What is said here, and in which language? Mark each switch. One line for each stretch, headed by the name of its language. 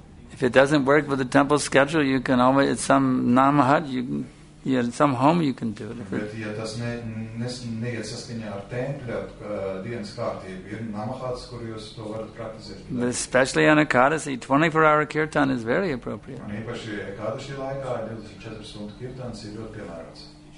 English: If it doesn't work with the temple schedule, you can always, it's some namahat, you can... Yeah, in some home you can do it.
Latvian: Bet ja tas neiet saskaņā ar tempļa dienas kārtību, ir namahats, kur jūs to varat praktizēt.
English: Especially on Ekadasi, 24-hour kirtan is very appropriate.
Latvian: Un īpaši Ekadasi laikā, 24 stundu kirtans ir ļoti piemērots.